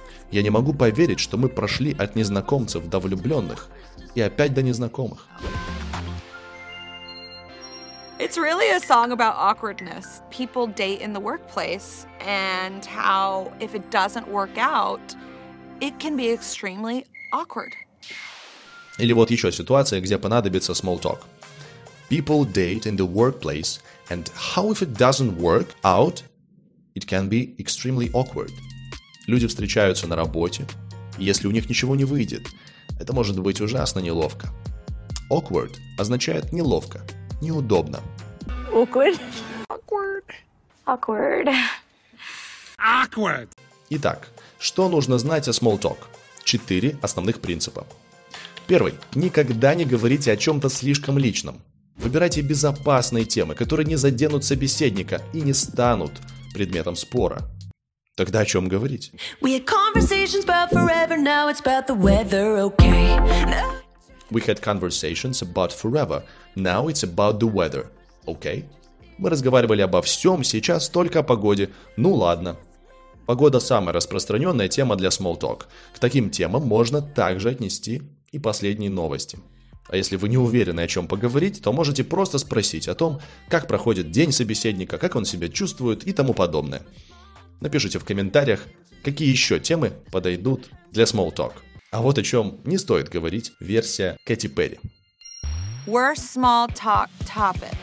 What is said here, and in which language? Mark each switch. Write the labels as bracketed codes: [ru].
[ru] Я не могу поверить, что мы прошли от незнакомцев до влюбленных и опять до незнакомых. [en] It's really a song about awkwardness. People date in the workplace and how if it doesn't work out, it can be extremely awkward. [ru] Или вот еще ситуация, где понадобится small talk. [en] People date in the workplace, and how if it doesn't work out, it can be extremely awkward. [ru] Люди встречаются на работе, и если у них ничего не выйдет, это может быть ужасно неловко. Awkward означает неловко, неудобно. [en] Awkward. Awkward. Awkward. Awkward. [ru] Итак, что нужно знать о small talk? Четыре основных принципа. Первый. Никогда не говорите о чем-то слишком личном. Выбирайте безопасные темы, которые не заденут собеседника и не станут предметом спора. Тогда о чем говорить? [en] We had conversations about forever, now it's about the weather, okay? [ru] Мы разговаривали обо всем, сейчас только о погоде, ну ладно. Погода самая распространенная тема для small talk. К таким темам можно также отнести и последние новости. А если вы не уверены, о чем поговорить, то можете просто спросить о том, как проходит день собеседника, как он себя чувствует и тому подобное. Напишите в комментариях, какие еще темы подойдут для small talk. А вот о чем не стоит говорить, версия Кэти Перри. [en] Worst small talk topics.